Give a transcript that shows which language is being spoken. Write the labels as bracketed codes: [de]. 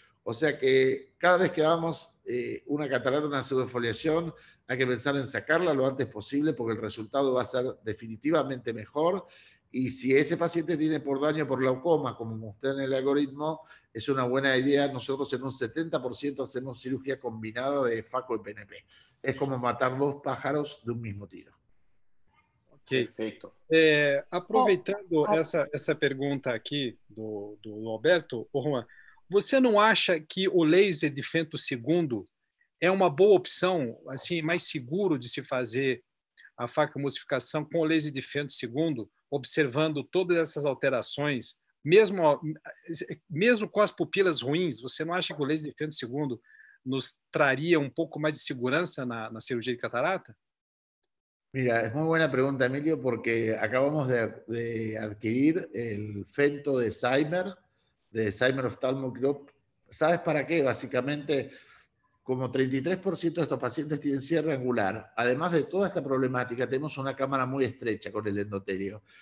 [es] O sea que cada vez que vamos una catarata, una pseudoefoliación, hay que pensar en sacarla lo antes posible porque el resultado va a ser definitivamente mejor. Y si ese paciente tiene por daño por glaucoma, como mostré en el algoritmo, es una buena idea. Nosotros en un 70% hacemos cirugía combinada de FACO y PNP. Es como matar dos pájaros de un mismo tiro. Okay. Perfecto. [pt] Aproveitando essa pergunta aqui do Alberto, Juan, você não acha que o laser de fento segundo é uma boa opção, assim, mais seguro de se fazer a facoemulsificação com o laser de fento segundo, observando todas essas alterações, mesmo com as pupilas ruins, você não acha que o laser de fento segundo nos traria um pouco mais de segurança na cirurgia de catarata? [es] Mira, es muy buena pregunta, Emilio, porque acabamos de adquirir el fento de Zimmer, de Zimmer Oftalmogroup. ¿Sabes para qué? Básicamente, como 33% de estos pacientes tienen cierre angular, además de toda esta problemática, tenemos una cámara muy estrecha con el endotelio.